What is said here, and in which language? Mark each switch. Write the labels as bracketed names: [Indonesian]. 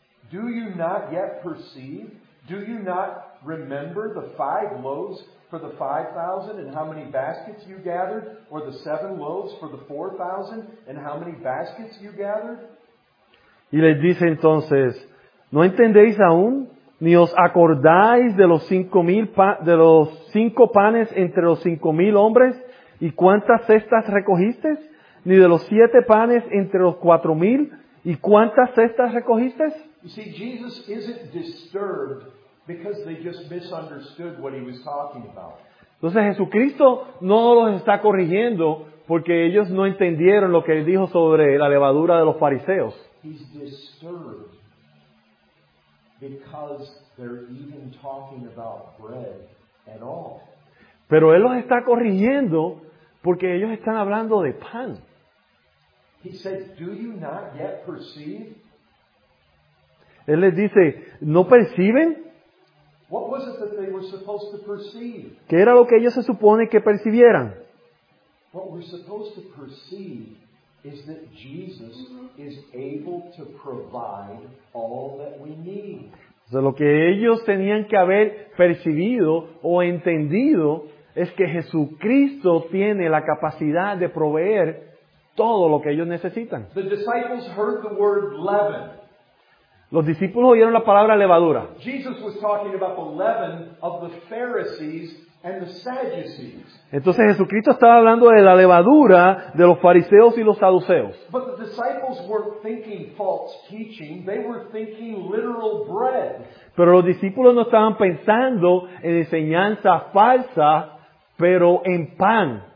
[English] Do you not yet perceive? Do you not remember the five loaves for the 5,000 and how many baskets you gathered? Or the seven loaves for the 4,000 and how many baskets you gathered? [Spanish] Y les dice entonces, ¿no entendéis aún? ¿Ni os acordáis de los 5,000 de los cinco panes entre los 5,000 hombres? ¿Y cuántas cestas recogisteis? ¿Ni de los 7 panes entre los 4,000? ¿Y cuántas cestas recogisteis? [English] You see, Jesus isn't disturbed because they just misunderstood what he was talking about. [Spanish] Entonces Jesucristo no los está corrigiendo porque ellos no entendieron lo que él dijo sobre la levadura de los fariseos. [English] He's disturbed. Because they're even talking about bread at all. [Spanish] Pero él los está corrigiendo porque ellos están hablando de pan. [English] He said, "Do you not yet perceive?" [Spanish] Él les dice, ¿no perciben? [English] What was it that they were supposed to perceive? [Spanish] ¿Qué era lo que ellos se supone que percibieran? [English] What we're supposed to perceive is that Jesus is able to provide all that we need. [Spanish] De lo que ellos tenían que haber percibido o entendido es que Jesucristo tiene la capacidad de proveer todo lo que ellos necesitan. [English] The disciples heard the word leaven. [Spanish] Los discípulos oyeron la palabra levadura. [English] Jesus was talking about the leaven of the Pharisees and the Sadducees. [Spanish] Entonces Jesucristo estaba hablando de la levadura de los fariseos y los saduceos. [English] But the disciples were thinking false teaching. They were thinking literal bread. [Spanish] Pero los discípulos no estaban pensando en enseñanza falsa, pero en pan.